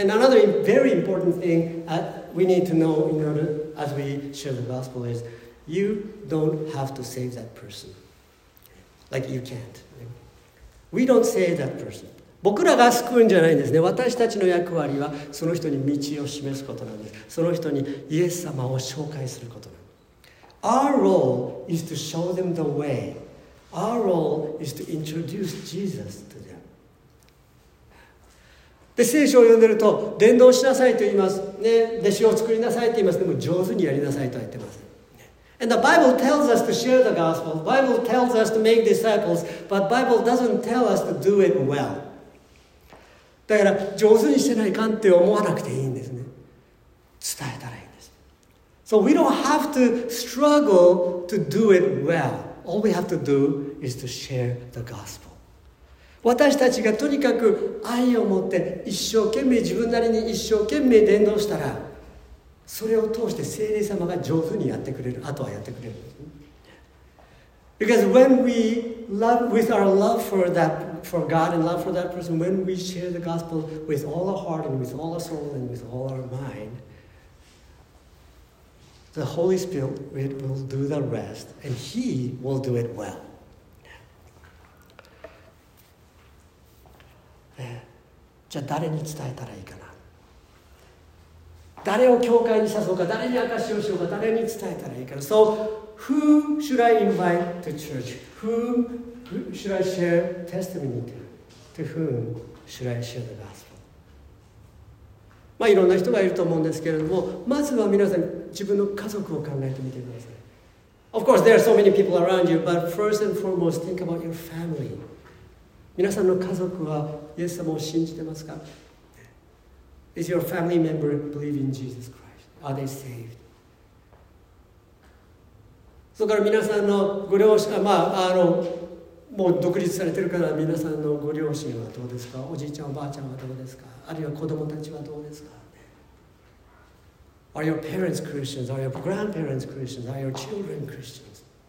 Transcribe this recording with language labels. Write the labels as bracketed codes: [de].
[en] And another very important thing that we need to know in order as we share the gospel isYou don't have to save that person. Like you can't. We don't save that person. [ja] 僕らが救うんじゃないんですね。私たちの役割はその人に道を示すことなんです。その人にイエス様を紹介することなんです。 [en] Our role is to show them the way. Our role is to introduce Jesus to them. [ja] で、聖書を読んでると、伝道しなさいと言います。ね、弟子を作りなさいと言います。でも上手にやりなさいとは言ってません。 [en] And the Bible tells us to share the gospel. The Bible tells us to make disciples. But the Bible doesn't tell us to do it well. [ja] だから上手にしてないかんって思わなくていいんですね。伝えたらいいんです。 [en] So we don't have to struggle to do it well. All we have to do is to share the gospel. [ja] 私たちがとにかく愛を持って一生懸命自分なりに一生懸命伝道したら、それを通して聖霊様が上手にやってくれる、あとはやってくれる。 [en] Because when we love with our love for that for God and love for that person, when we share the gospel with all our heart and with all our soul and with all our mind, the Holy Spirit will do the rest and He will do it well. [ja] じゃあ誰に伝えたらいいかな。誰を教会に誘うか、誰に証しをしようか、誰に伝えたらいいか。 [en] So, who should I invite to church? Who should I share testimony to? To whom should I share the gospel? [ja] まあ、いろんな人がいると思うんですけれども、まずは皆さん、自分の家族を考えてみてください。 [en] Of course, there are so many people around you, but first and foremost, think about your family. [ja] 皆さんの家族はイエス様を信じてますか？ [en] Is your family member believe in Jesus Christ? Are they saved? [ja] それから皆さんのご両親、まあ、あのもう独立されてるから皆さんのご両親はどうですか？おじいちゃんおばあちゃんはどうですか？あるいは子供たちはどうですか？ [en] Are your parents Christians? Are your grandparents Christians? Are your children Christians?